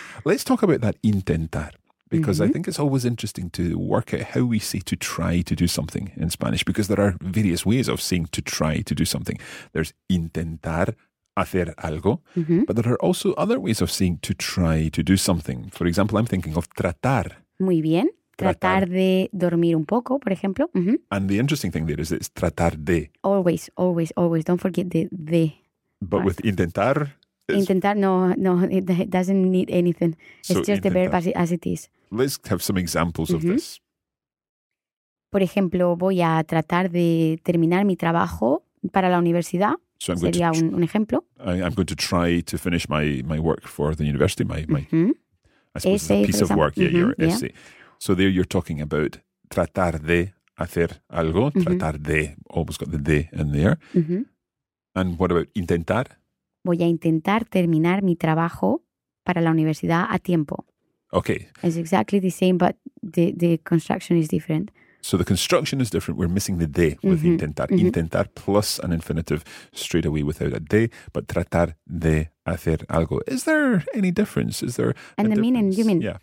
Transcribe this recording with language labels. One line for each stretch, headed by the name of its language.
English: Let's talk about that intentar. Because I think it's always interesting to work out how we say to try to do something in Spanish, because there are various ways of saying to try to do something. There's
Spanish: intentar hacer algo,
English: but there are also other ways of saying to try to do something. For example, I'm thinking of tratar.
Spanish: Muy bien. Tratar de dormir un poco, por ejemplo.
English: And the interesting thing there is it's tratar de. Always, always, always. Don't forget the de. But with intentar... Intentar, no, it doesn't need anything. It's so just intentar. The verb as it is. Let's have some examples of this.
Spanish: Por ejemplo, voy a tratar de terminar mi trabajo para la universidad.
English: So I'm
Spanish: sería
English: going to
Spanish: un ejemplo.
English: I'm going to try to finish my work for the university, my I suppose it's a piece of work, your essay. Yeah. So there you're talking about
Spanish: tratar de hacer algo, tratar de,
English: always got the de in there. And what about intentar?
Spanish: Voy a intentar terminar mi trabajo para la universidad a tiempo.
English: Okay. It's exactly the same, but the construction is different. So the construction is different. We're missing the de with intentar. Intentar plus an infinitive straight away without a de, but
Spanish: tratar de hacer algo.
English: Is there any difference? Is there and the difference? Meaning, you mean? Yeah.